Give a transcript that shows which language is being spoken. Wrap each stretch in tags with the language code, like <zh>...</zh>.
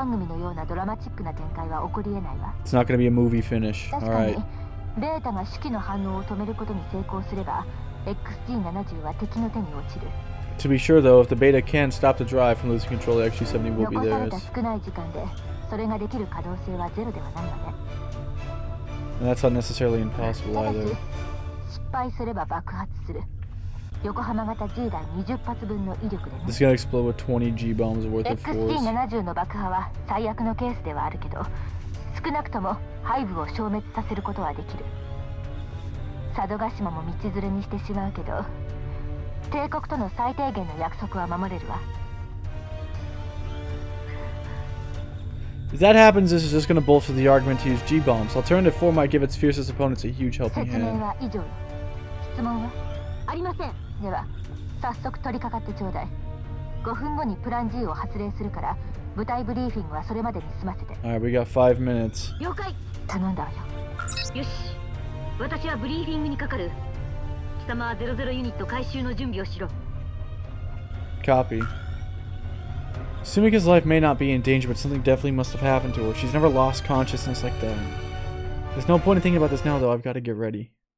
<en>It's not going to be a movie finish. Alright. To be sure though, if the beta can stop the drive from losing control, the XG-70 will be there.</en> <ja>それができる可能性はゼロではないので。</ja> <en>And that's not necessarily impossible either.</en> <ja>ただし、失敗すれば爆発する。横浜型 G 弾20発分の威力でね。</ja> <en>This is gonna explode with 20 G-bombs worth of force.</en> <ja>XG-70 の爆破は最悪のケースではあるけど、少なくとも背部を消滅させることはできる。佐渡島も道連れにしてしまうけど、帝国との最低限の約束は守れるわ。</ja> <en>If that happens, this is just going to bolster the argument to use G-bombs. Alternative 4 might give its fiercest opponents a huge helping hand.</en> <ja>説明は以上。質問は?ありません。では早速取り掛かってちょうだい。5分後にプラン G を発令するから部隊ブリーフィングはそれまでに済ませて。</ja> <en>Alright, we got 5 minutes.</en> <ja>了解、頼んだわよ。よし、私はブリーフィングにかかる。貴様は00ユニット回収の準備をしろ。</ja> <en>Copy. Sumika's life may not be in danger, but something definitely must have happened to her. She's never lost consciousness like that. There's no point in thinking about this now, though. I've got to get ready.</en>